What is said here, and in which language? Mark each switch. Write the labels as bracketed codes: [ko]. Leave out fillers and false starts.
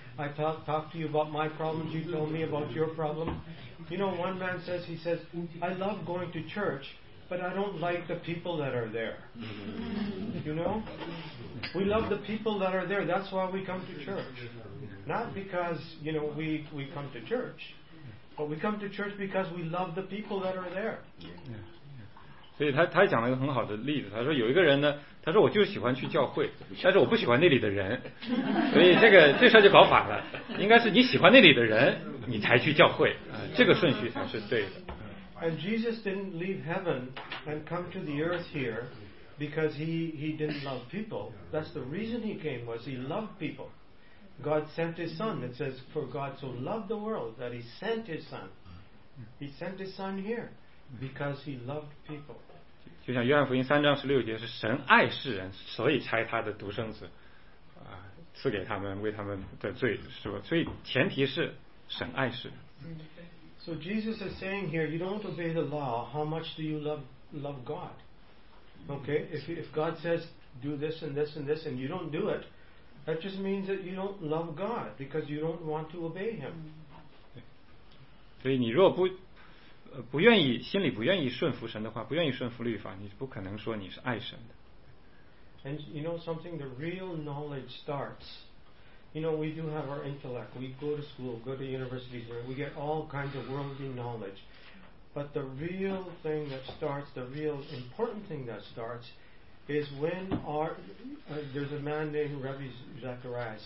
[en] I talk to you about my problems, you tell me about your problems. You know, one man says, I love going to church, but I don't like the people that are there. You know? We love the people that are there. That's why we come to church. Not because, you know, we come to church. But we come to church because we love the people that are there. Yeah. [zh] 所以他讲了一个很好的例子，他说有一个人呢，他说我就喜欢去教会，但是我不喜欢那里的人，所以这事就搞反了，应该是你喜欢那里的人你才去教会，这个顺序才是对的。 [en] And Jesus didn't leave heaven and come to the earth here because he didn't love people. That's the reason he came, was he loved people. God sent his son. It says, for God so loved the world that he sent his son. He sent his son hereBecause he loved people. [zh] 就像约翰福音三章十六节，是神爱世人，所以差他的独生子，赐给他们，为他们的罪，是吧？所以前提是神爱世人。 [en] So Jesus is saying here, you don't obey the law. How much do you love God? Okay, if God says do this and this and this, and you don't do it, that just means that you don't love God because you don't want to obey Him. [zh] 所以你若不不愿意，心里不愿意顺服神的话，不愿意顺服律法，你不可能说你是爱神的。 [en] And you know something, the real knowledge starts. You know, we do have our intellect. We go to school, go to universities, where we get all kinds of worldly knowledge. But the real thing that starts, the real important thing that starts, is when our there's a man named Rabbi Zacharias.